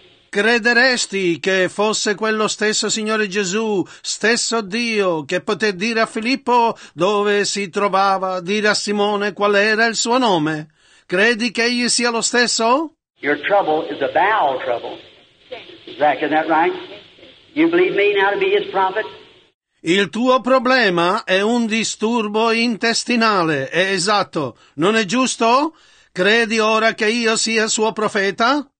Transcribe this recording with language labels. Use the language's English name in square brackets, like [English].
[Italian] Crederesti che fosse quello stesso Signore Gesù, stesso Dio, che poté dire a Filippo dove si trovava, dire a Simone qual era il suo nome? Credi che egli sia lo stesso? [English] Your trouble is a bowel trouble. Zach, is that right? You believe me now to be his prophet? [Italian] Il tuo problema è un disturbo intestinale, è esatto. Non è giusto? Credi ora che io sia suo profeta?